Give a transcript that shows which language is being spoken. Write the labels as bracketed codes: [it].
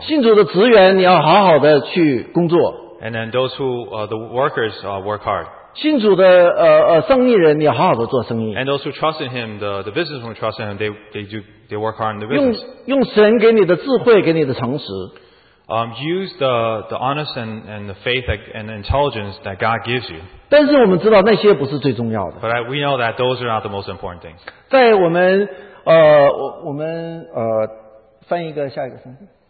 [zh] 信主的职员你要好好的去工作, [en] and then those who the workers work hard. [zh] 信主的, 生意人你要好好的做生意, [en] and those who trust in him, the businessmen who trust in him, they work hard in the business. [zh] 用神给你的智慧给你的诚实, [en] use the honest and the faith and the intelligence that God gives you. [zh] 但是我们知道那些不是最重要的。 [en] But we know that those are not the most important things. [zh] 在我们, 我们, 翻译一个下一个圣经。